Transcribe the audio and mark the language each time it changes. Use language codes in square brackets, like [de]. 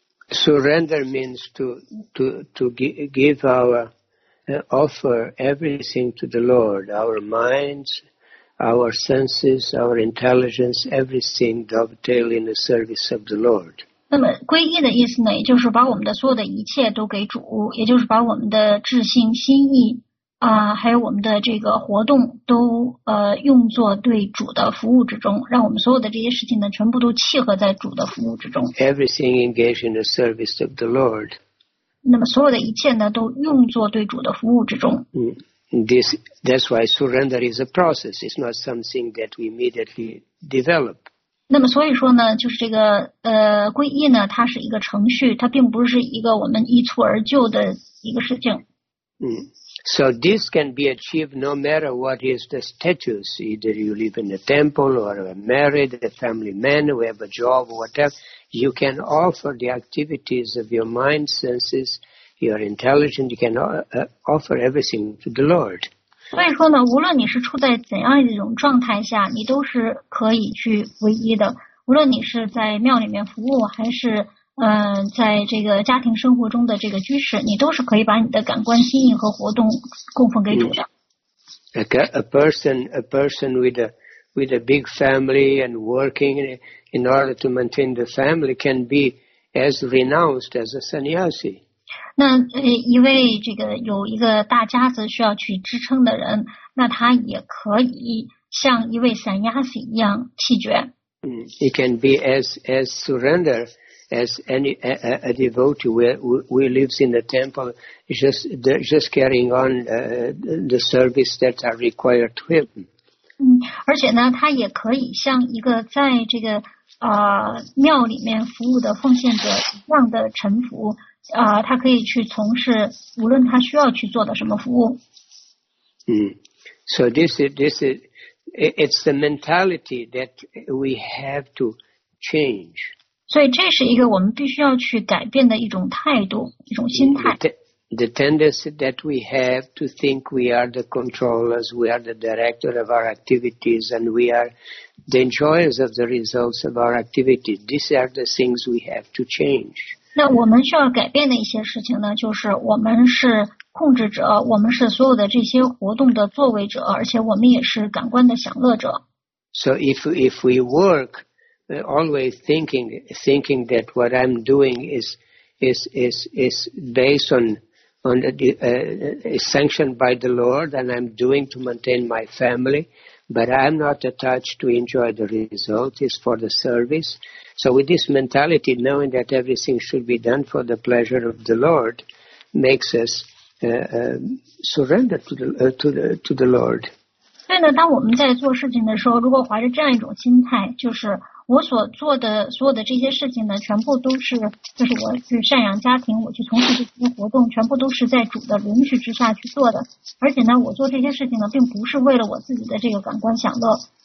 [en] Surrender means to give our... offer everything to the Lord, our minds, our senses, our intelligence, everything dovetail in the service of the Lord. [zh] 那么皈依的意思呢，也就是把我们的所有的一切都给主，也就是把我们的智性心意还有我们的这个活动都用作对主的服务之中，让我们所有的这些事情呢，全部都契合在主的服务之中。 [en] Everything engaged in the service of the Lord. [zh] 那么所有的一切呢，都用作对主的服务之中。 [en] That's why surrender is a process. It's not something that we immediately develop. [zh] 那么所以说呢，就是这个皈依呢，它是一个程序，它并不是一个我们一蹴而就的一个事情。 [en] So this can be achieved no matter what is the status, either you live in a temple or a married, a family man, we have a job, whatever. You can offer the activities of your mind, senses, your intelligence. You can offer everything to the Lord. [zh] 所以说呢，无论你是处在怎样一种状态下，你都是可以去皈依的。无论你是在庙里面服务，还是在这个家庭生活中的这个居士，你都是可以把你的感官、心意和活动供奉给主的。 [en] A person with a big family and working in order to maintain the family can be as renounced as a sannyasi. [zh] 那一位这个有一个大家子需要去支撑的人，那他也可以像一位散压子一样弃绝。 [en] He can be as surrender as any a devotee who lives in the temple, just carrying on the service that are required to him. [zh] 而且呢，他也可以像一个在这个庙里面服务的奉献者一样的臣服。他可以去从事无论他需要去做的什么服务。 [en] So this is it's the mentality that we have to change. [zh] 所以这是一个我们必须要去改变的一种态度，一种心态。 [en] The tendency that we have to think we are the controllers, we are the director of our activities, and we are the enjoyers of the results of our activities. These are the things we have to change. [zh] 那我们需要改变的一些事情呢，就是我们是控制者，我们是所有的这些活动的作为者，而且我们也是感官的享乐者。 [en] So if we work always thinking that what I'm doing is based on the is sanctioned by the Lord and I'm doing to maintain my family, but I'm not attached to enjoy the result, it's for the service. So with this mentality, knowing that everything should be done for the pleasure of the Lord, makes us surrender to the Lord. [zh] 所以呢，当我们在做事情的时候，如果怀着这样一种心态，就是我所做的所有的这些事情呢，全部都是就是我去赡养家庭，我去从事这些活动，全部都是在主的允许之下去做的。而且呢，我做这些事情呢，并不是为了我自己的这个感官享乐。